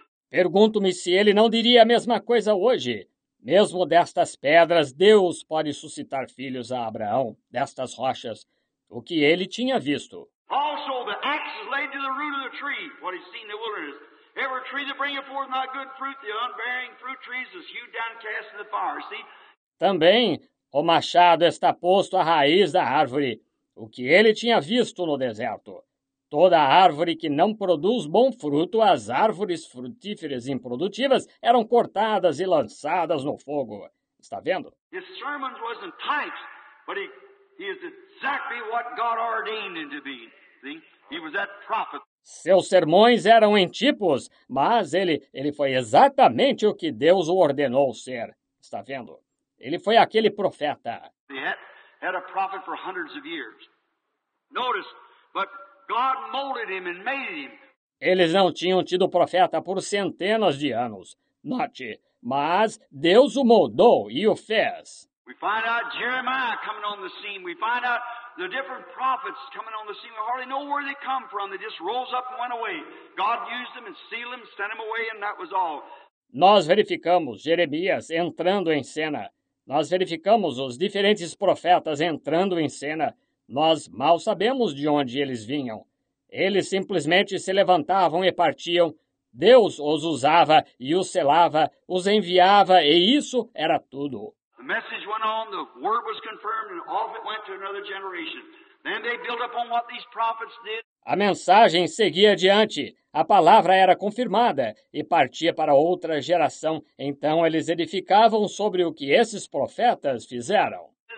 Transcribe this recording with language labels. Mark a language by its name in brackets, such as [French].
[Portuguese] Pergunto-me se ele não diria a mesma coisa hoje. Mesmo destas pedras, Deus pode suscitar filhos a Abraão, destas rochas, o que ele tinha visto. [English] Also, the axe is laid to the root of the tree, what he's seen in the wilderness. Every tree that bringeth forth not good fruit, the unbearing fruit trees is hewed down, cast in the fire. See? [Portuguese] Também, o machado está posto à raiz da árvore, o que ele tinha visto no deserto. Toda árvore que não produz bom fruto, as árvores frutíferas e improdutivas eram cortadas e lançadas no fogo. Está vendo? [English] His sermon wasn't typed, but he is exactly what God ordained him to be. See? [Portuguese] Seus sermões eram em tipos, mas ele foi exatamente o que Deus o ordenou ser. Está vendo? Ele foi aquele profeta. [English] Had a prophet for hundreds of years. Notice, but God molded him and made him. [Portuguese] Eles não tinham tido profeta por centenas de anos. Note, mas Deus o moldou e o fez. [English] We find out Jeremiah coming on the scene. We find out the different prophets coming on the scene. We hardly know where they come from. They just rose up and went away. God used them and sealed them, sent them away, and that was all. [Portuguese] Nós verificamos Jeremias entrando em cena. Nós verificamos os diferentes profetas entrando em cena. Nós mal sabemos de onde eles vinham. Eles simplesmente se levantavam e partiam. Deus os usava e os selava, os enviava, e isso era tudo. [English] The message went on, the word was confirmed, and off it went to another generation. Then they built upon what these prophets did. [Portuguese] A mensagem seguia adiante, a palavra era confirmada e partia para outra geração. Então eles edificavam sobre o que esses profetas fizeram.